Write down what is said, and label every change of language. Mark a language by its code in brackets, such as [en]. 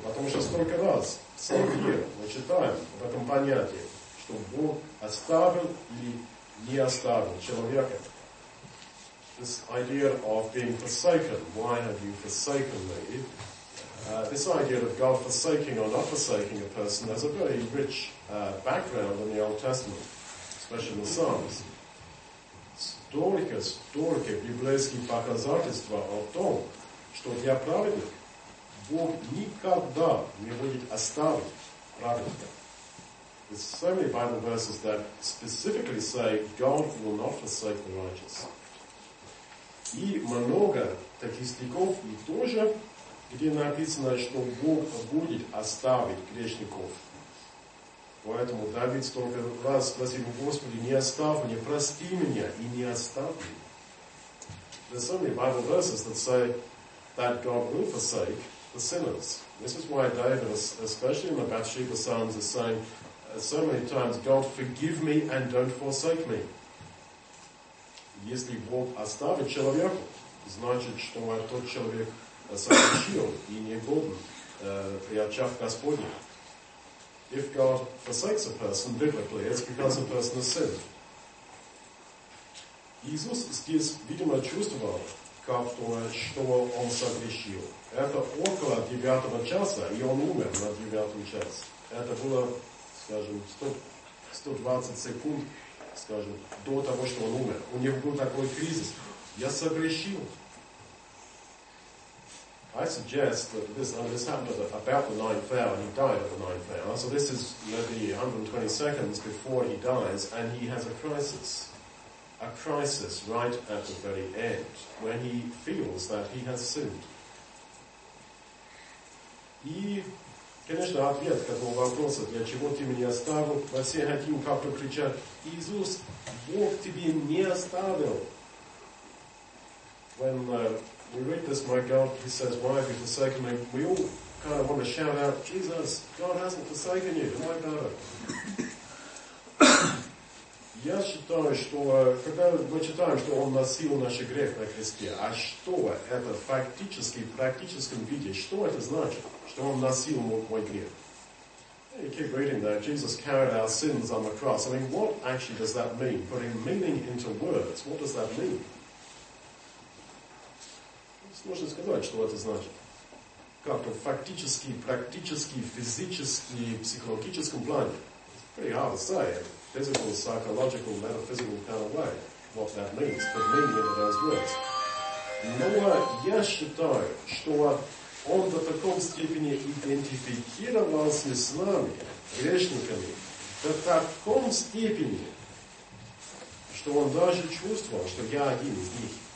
[ru] Потому что столько раз в Слове мы читаем об этом понятии, что Бог оставил или не оставил человека. [en] This idea of being forsaken, why have you forsaken me? This idea of God forsaking or not forsaking a person has a very rich background in the Old Testament, especially in the Psalms. [ru] Столько библейских показательств о том, что для праведных Бог никогда не будет оставить праведника. [en] There's so many Bible verses that specifically say God will not forsake the righteous. [ru] И много таких стихов и тоже, где написано, что Бог будет оставить грешников. Поэтому Давид столько раз спросил Господи, не оставь меня, прости меня и не оставь меня. [en] There's so many Bible verses that say that God will forsake the sinners. This is why David, especially in the Bathsheba Psalms, is saying so many times, God, forgive me and don't forsake me. [ru] Если Бог оставит человека, значит, что тот человек согрешил и не годен при очах Господних. [en] If God forsakes a person biblically, it's because a person has sinned. [ru] Иисус здесь, видимо, чувствовал, как то, что он согрешил. Это около 9 часа, и он умер на 9 час. Это было, скажем, 120 секунд скажем, до того, что он умер. У него был такой кризис. Я согрешил. [en] I suggest that this happened at about the ninth hour. He died at the ninth hour. So this is maybe 120 seconds before he dies, and he has a crisis. A crisis right at the very end, where he feels that he has sinned. [ru] И, конечно, ответ к этому вопросу, для чего ты меня оставил, мы все хотим как-то кричать, Иисус, Бог тебе не оставил. [en] When we read this, my God, he says, why have you forsaken me? We all kind of want to shout out, Jesus, God hasn't forsaken you. Why not? [ru] Я считаю, что когда мы читаем, что он носил наш грех на кресте, а что это фактически, в практическом виде, что это значит, что он носил мой грех? [en] You keep reading that. Jesus carried our sins on the cross. I mean, what actually does that mean? Putting meaning into words, what does that mean? [ru] Сложно сказать, что это значит. Как-то фактически, практически, физически, психологическом плане. [en] It's pretty hard to say. Physical, psychological, metaphysical kind of way. What that means, the meaning of those words. [ru] Но я считаю, что он до такой степени идентифицировался с нами, грешниками, до такой степени, что он даже чувствовал, что я один из них.